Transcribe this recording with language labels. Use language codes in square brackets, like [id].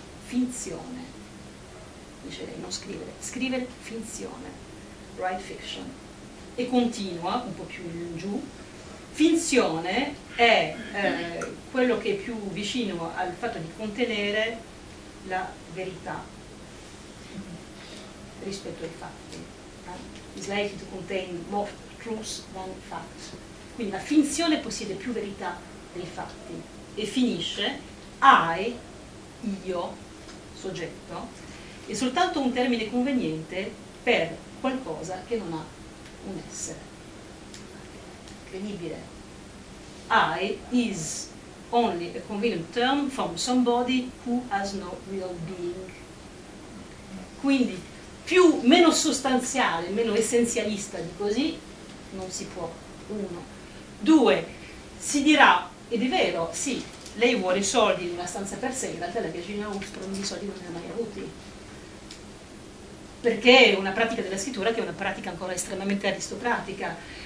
[it] Finzione, dice lei, non scrivere, scrivere finzione, [en] write fiction. [it] E continua un po' più in giù: finzione è quello che è più vicino al fatto di contenere la verità rispetto ai fatti. [en] It's likely to contain more truths than facts. [it] Quindi la finzione possiede più verità dei fatti. E finisce: I, io, soggetto, è soltanto un termine conveniente per qualcosa che non ha un essere. Incredibile. [en] I is only a convenient term from somebody who has no real being. [it] Quindi più, meno sostanziale, meno essenzialista di così non si può. Uno. Due, si dirà, ed è vero, sì, lei vuole soldi in una stanza per sé, in realtà la Virginia Woolf non di soldi non ne ha mai avuti, perché è una pratica della scrittura che è una pratica ancora estremamente aristocratica.